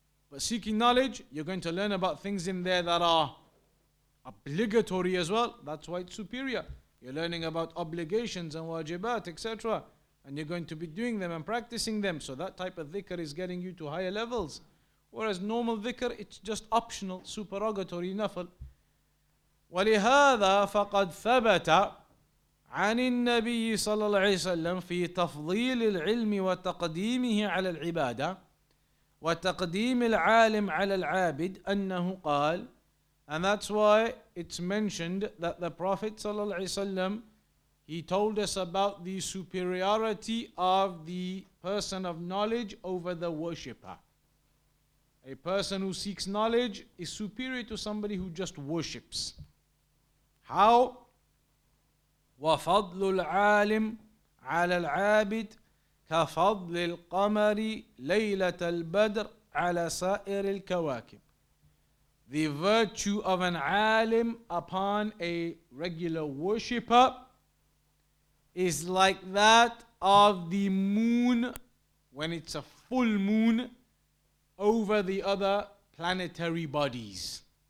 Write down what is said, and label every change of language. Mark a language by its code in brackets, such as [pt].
[en] But seeking knowledge, you're going to learn about things in there that are obligatory as well. That's why it's superior. You're learning about obligations and wajibat, etc. And you're going to be doing them and practicing them. So that type of dhikr is getting you to higher levels. Whereas normal dhikr, it's just optional, supererogatory nafal. [ar] وَلِهَذَا فَقَدْ ثَبَتَ عن النبي صلى الله عليه وسلم في تفضيل العلم وتقديمه على العبادة وتقديم العالم على العابد أنه قال. [en] And that's why it's mentioned that the Prophet [ar] صلى الله عليه وسلم, [en] he told us about the superiority of the person of knowledge over the worshipper. A person who seeks knowledge is superior to somebody who just worships. How? [ar] وفضل العالم على العابد كفضل القمر ليلة البدر على سائر الكواكب. [en] The virtue of an alim upon a regular worshipper is like that of the moon when it's a full moon over the other planetary bodies.